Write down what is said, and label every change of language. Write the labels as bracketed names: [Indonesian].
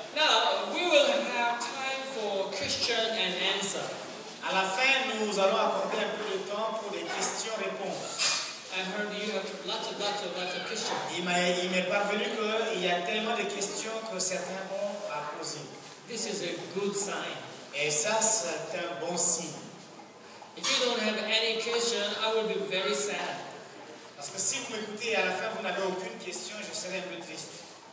[English] Now we will have time for question and answer. [French] À la fin, nous allons accorder un peu de temps pour les questions-réponses. [English] I heard you have lots of questions. [French] Il m'est parvenu qu'il y a tellement de questions que certains ont à poser. [English] This is a good sign. [French] Et ça, c'est un bon signe. [English] If you don't have any question, I will be very sad. [French] Parce que si vous m'écoutez et à la fin vous n'avez aucune question, je serai un peu triste.